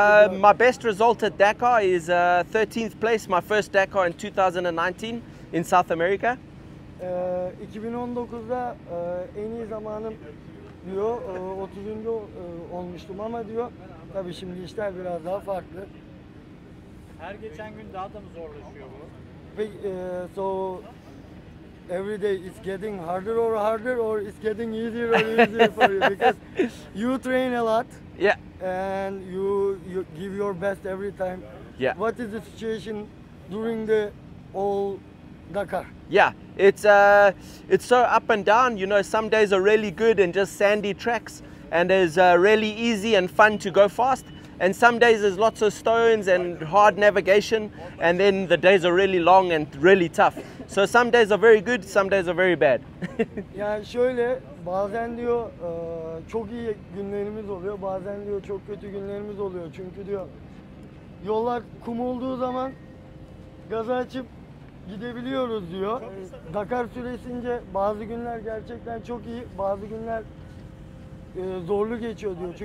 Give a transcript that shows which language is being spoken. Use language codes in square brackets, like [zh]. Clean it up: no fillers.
[en] My best result at Dakar is 13th place, my first Dakar in 2019 in South America. [tr] 2019'da en iyi zamanım diyor, 30. olmuştum ama diyor, tabii şimdi işler biraz daha farklı. Her geçen gün daha da mı zorlaşıyor bu? [en] So every day it's getting harder or it's getting easier or easier for you, because you train a lot. Yeah. And you give your best every time. Yeah. What is the situation during the all Dakar? Yeah, it's so up and down, you know. Some days are really good and just sandy tracks and it's really easy and fun to go fast, and some days there's lots of stones and hard navigation, and then the days are really long and really tough. So some days are very good, some days are very bad. [tr] Yani şöyle, bazen diyor çok iyi günlerimiz oluyor, bazen diyor çok kötü günlerimiz oluyor, çünkü diyor yollar kum olduğu zaman gaza açıp gidebiliyoruz diyor. Dakar süresince bazı günler gerçekten çok iyi, bazı günler zorlu geçiyor diyor.